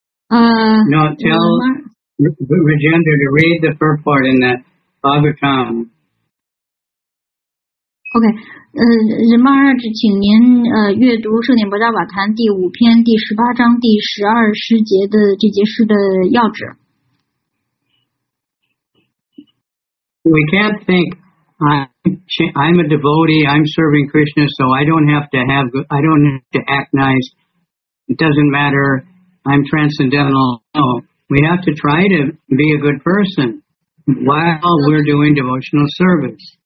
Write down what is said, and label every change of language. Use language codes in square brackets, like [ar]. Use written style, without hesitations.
[en] Rajendra to read the first part in that Bhagavatam. [zh] OK, 人马二只请您阅读圣典博达瓦坛第五篇第十八章第十二诗节的这节诗的要旨。 [en] We can't think, I'm a devotee, I'm serving Krishna, so I don't have to have, I don't have to act nice, it doesn't matter, I'm transcendental. No, we have to try to be a good person while we're doing devotional service.